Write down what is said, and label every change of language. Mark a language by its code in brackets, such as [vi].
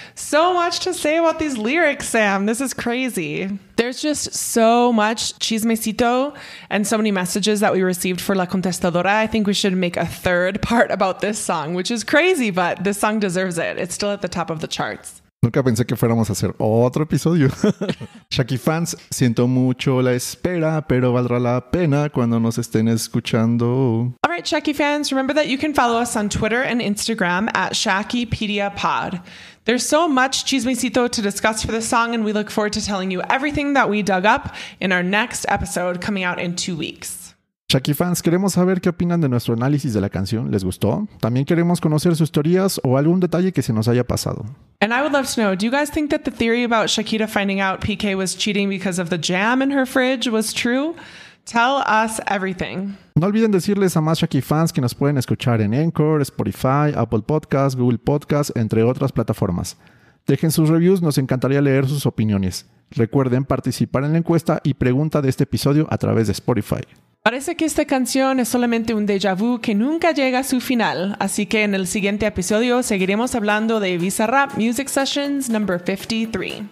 [en] So much to say about these lyrics, Sam. This is crazy. There's just so much chismecito and so many messages that we received for La Contestadora. I think we should make a third part about this song, which is crazy, but this song deserves it. It's still at the top of the charts. [es] Nunca pensé que fuéramos a hacer otro episodio. Shaki fans, siento mucho la espera, pero valdrá la pena cuando nos estén escuchando. [en] All right, Shaki fans, remember that you can follow us on Twitter and Instagram at ShakiPediaPod. There's so much chismecito to discuss for this song, and we look forward to telling you everything that we dug up in our next episode coming out in 2 weeks. [es] Shaki fans, queremos saber qué opinan de nuestro análisis de la canción. ¿Les gustó? También queremos conocer sus teorías o algún detalle que se nos haya pasado. [en] And I would love to know, do you guys think that the theory about Shakira finding out PK was cheating because of the jam in her fridge was true? Tell us everything. [es] No olviden decirles a más Shaky fans que nos pueden escuchar en Anchor, Spotify, Apple Podcasts, Google Podcasts, entre otras plataformas. Dejen sus reviews, nos encantaría leer sus opiniones. Recuerden participar en la encuesta y pregunta de este episodio a través de Spotify. Parece que esta canción es solamente un déjà vu que nunca llega a su final, así que en el siguiente episodio seguiremos hablando de Bizarrap Music Sessions number 53.